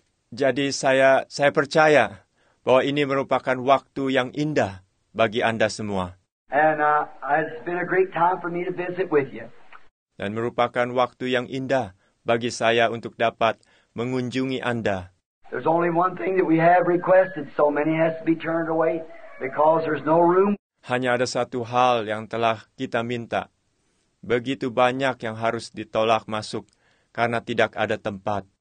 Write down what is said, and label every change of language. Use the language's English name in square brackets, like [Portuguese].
[Indonesian] Jadi saya percaya bahwa ini merupakan waktu yang indah bagi Anda semua. [English] And it's been a great time for me to visit with you. [Indonesian] Dan merupakan waktu yang indah bagi saya untuk dapat mengunjungi Anda. [English] There's only one thing that we have requested, so many has to be turned away because there's no room. [Indonesian] Hanya ada satu hal yang telah kita minta. Begitu banyak yang harus ditolak masuk karena tidak ada tempat.